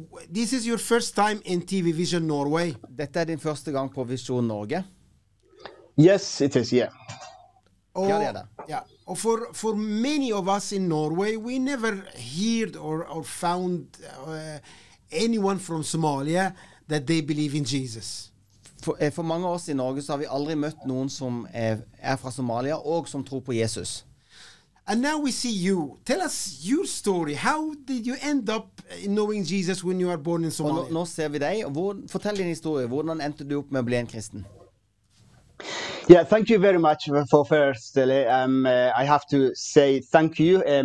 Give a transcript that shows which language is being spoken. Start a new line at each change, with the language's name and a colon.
English: This is your first time in TV Vision Norway.
Norwegian: Dette din første gang på Vision Norge.
English: Yes, it is. Yeah.
Norwegian: Og, ja, det det. Ja.
English: Og for many of us in Norway, we never heard or found anyone from Somalia that they believe in Jesus.
Norwegian: For mange av oss i Norge så har vi aldri møtt noen som er fra Somalia og som tror på Jesus.
English: And now we see you. Tell us your story. How did you end up knowing Jesus when you were born in Somalia?
Norwegian: Nå ser vi deg. Fortell din historie. Hvordan endte du opp med å bli en kristen?
English: Yeah, thank you very much for first. I have to say thank you.